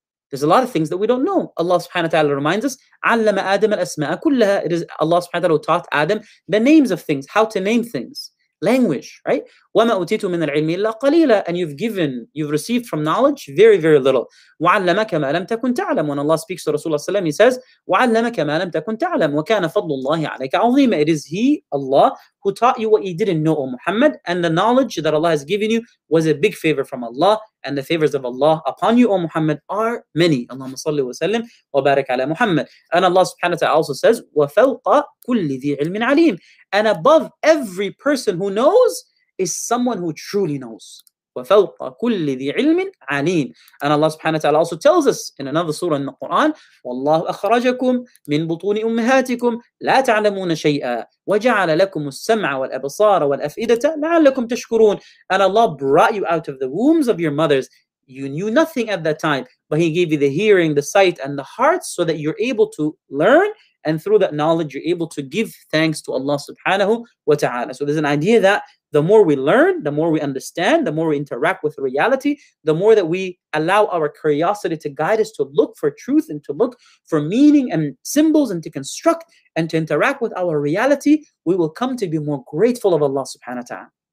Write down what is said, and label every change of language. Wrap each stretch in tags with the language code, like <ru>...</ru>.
<en>There's a lot of things that we don't know. Allah subhanahu wa ta'ala reminds us,</en> <ar>عَلَّمَ آدَمَ الْأَسْمَاءَ كُلَّهَا.</ar> <en>It is Allah subhanahu wa ta'ala who taught Adam the names of things, how to name things, language, right?</en> <ar>وَمَا أُوتِيتُ مِنَ الْعِلْمِ إِلَّا قَلِيلًا.</ar> <en>And you've received from knowledge very, very little.</en> <ar>وَعَلَّمَكَ مَا لَمْ تَكُنْ تَعْلَمُ.</ar> <en>When Allah speaks to Rasulullah SAW, He says,</en> <ar>وَعَلَّمَكَ مَا لَمْ تَكُنْ تَعْلَمُ وَكَانَ فَضْلُ اللَّهِ عَلَيْكَ عَظِيمًا.</ar> <en>It is He, Allah, who taught you what you didn't know, O Muhammad, and the knowledge that Allah has given you was a big favor from Allah, and the favors of Allah upon you, O Muhammad, are many. Allahumma salli wa sallim wa barik ala Muhammad. And Allah subhanahu wa ta'ala also says,</en> <ar>وَفَوْقَ كُلِّ ذِي عِلْمٍ عَلِيمٍ.</ar> <en>And above every person who knows is someone who truly knows.</en> <ar>وَفَوْقَ كُلِّ ذِي عِلْمٍ عَلِيمٍ.</ar> <en>And Allah subhanahu wa ta'ala also tells us in another surah in the Quran,</en> <ar>وَاللَّهُ أَخْرَجَكُمْ مِنْ بُطُونِ أُمْهَاتِكُمْ لَا تَعْلَمُونَ شَيْئًا وَجَعَلَ لَكُمُ السَّمْعَ وَالْأَبْصَارَ وَالْأَفْئِدَةَ لَعَلَّكُمْ تَشْكُرُونَ.</ar> <en>And Allah brought you out of the wombs of your mothers. You knew nothing at that time, but He gave you the hearing, the sight, and the heart so that you're able to learn. And through that knowledge, you're able to give thanks to Allah subhanahu wa ta'ala. So there's an idea that the more we learn, the more we understand, the more we interact with reality, the more that we allow our curiosity to guide us to look for truth and to look for meaning and symbols and to construct and to interact with our reality, we will come to be more grateful of Allah subhanahu wa ta'ala.</en>